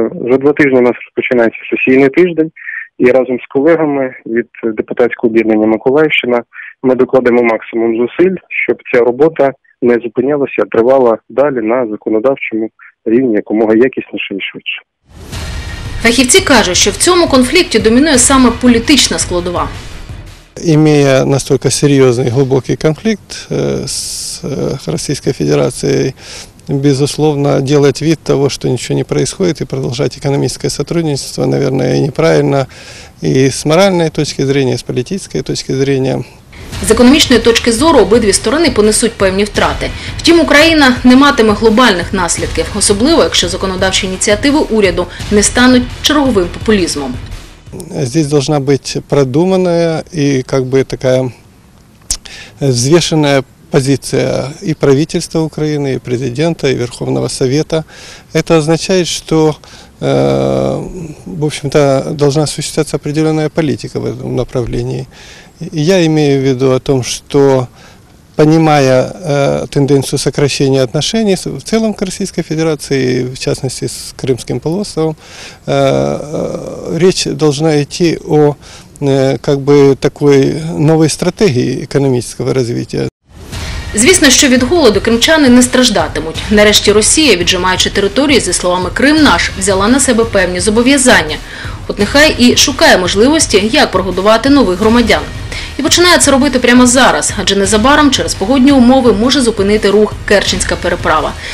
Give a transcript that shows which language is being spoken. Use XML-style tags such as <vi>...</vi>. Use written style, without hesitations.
<uk>За два тижні у нас розпочинається сесійний тиждень, і разом з колегами від депутатського об'єднання «Миколаївщина» ми докладемо максимум зусиль, щоб ця робота не зупинялася, а тривала далі на законодавчому рівні, якомога якісніше і швидше. Фахівці кажуть, що в цьому конфлікті домінує саме політична складова.</uk> <ru>Имея настолько</ru> <uk>серйозний глибокий конфлікт з Російською Федерацією,</uk> <ru>безусловно, делать вид того, что ничего не происходит, и продолжать экономическое сотрудничество, наверное, неправильно и с моральной точки зрения, и с политической точки зрения.</ru> <uk>З економічної точки зору обидві сторони понесуть певні втрати. Втім, Україна не матиме глобальних наслідків, особливо, якщо законодавчі ініціативи уряду не стануть черговим популізмом.</uk> <ru>Здесь должна бути продумана і как бы така взвешена позиція і правительства України, і президента, і Верховного Совета. Это означает, что в общем-то должна существоваться определенная политика в этом направлении. Я имею в виду о том, что, понимая тенденцию сокращения отношений в целом к Российской Федерации, в частности с Крымским полуостровом, речь должна идти о как бы такой новой стратегии экономического развития.</ru> <uk>Звісно, що від голоду кримчани не страждатимуть. Нарешті Росія, віджимаючи території, зі словами «Крим наш», взяла на себе певні зобов'язання. От нехай і шукає можливості, як прогодувати нових громадян. І починає це робити прямо зараз, адже незабаром через погодні умови може зупинити рух Керченська переправа.</uk>